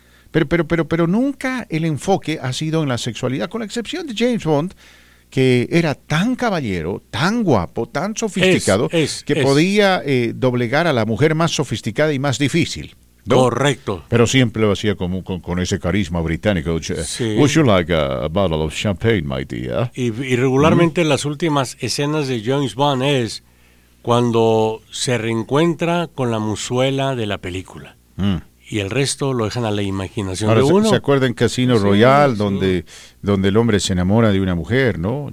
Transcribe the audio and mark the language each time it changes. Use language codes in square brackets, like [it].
[es] Pero nunca el enfoque ha sido en la sexualidad, con la excepción de James Bond, que era tan caballero, tan guapo, tan sofisticado, que podía doblegar a la mujer más sofisticada y más difícil. ¿No? Correcto. Pero siempre lo hacía con ese carisma británico. Sí. [en] Would you like a bottle of champagne, my dear? [es] Y regularmente las últimas escenas de James Bond es cuando se reencuentra con la mozuela de la película. Y el resto lo dejan a la imaginación. Ahora, de uno. ¿Se acuerda en Casino Royale, donde el hombre se enamora de una mujer, ¿no?